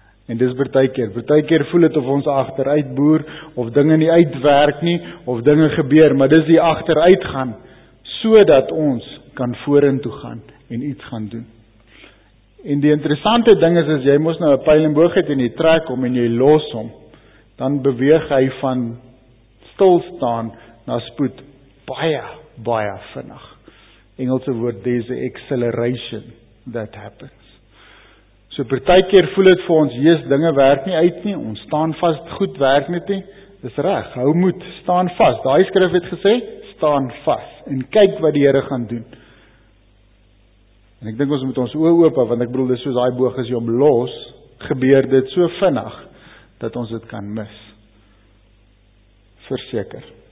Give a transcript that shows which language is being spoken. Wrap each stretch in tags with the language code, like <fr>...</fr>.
<af>En dis partykeer voel het of ons agteruit boer, of dinge nie uitwerk nie, of dinge gebeur, maar dis die agteruit gaan, so dat ons kan vorentoe gaan, en iets gaan doen. En die interessante ding is, as jy mos nou 'n pijl en boog het, en jy trek om, en jy los om, dan beweeg hy van stilstaan na spoed baie, baie vinnig. Engelse woord,</af> <en>there's an acceleration that happens.</en> <af>So per ty keer voel het vir ons, jees, dinge werk nie uit nie, ons staan vast, goed werk net nie, dis reg, hou moed, staan vast. Daai skrif het gesê, staan vast en kyk wat die Here gaan doen. En ek dink ons moet ons oë oop, want ek bedoel, dis soos daai boog as jy hom los, gebeur dit so vinnig, dat ons dit kan mis. Verseker.</af>